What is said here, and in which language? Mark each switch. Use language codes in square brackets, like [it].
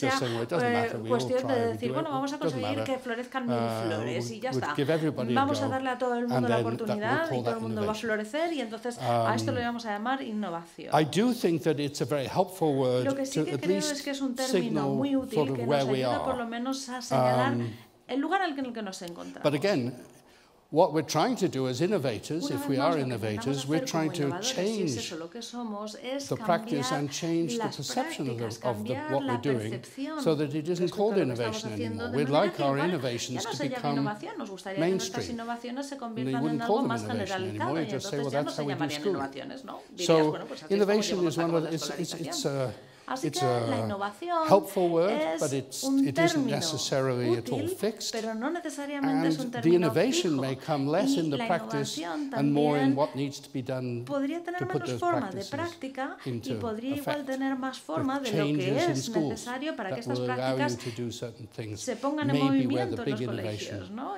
[en] Just saying, well, it doesn't matter, we all try and do it. Well, it doesn't matter. We'll give everybody a go, and then that will call that innovation. [es] A esto lo vamos a llamar innovación. [en] I do think that it's a very helpful word to at least signal sort of where we are. [es] Por lo menos a señalar el lugar en el que nos encontramos. [en] But again, what we're trying to do as innovators, if we are innovators, we're trying to change the practice and change the perception of what we're doing so that it isn't called innovation anymore. We'd like our innovations to become mainstream. And they wouldn't call them innovation anymore, you just say, well, that's how we do school. So innovation is one of the, it's a [es] Así que la innovación es un término útil, pero no necesariamente es un término fijo. Y la innovación también podría tener menos forma de práctica y podría igual tener más forma de lo que es necesario para que estas prácticas se pongan en movimiento en los colegios, ¿no?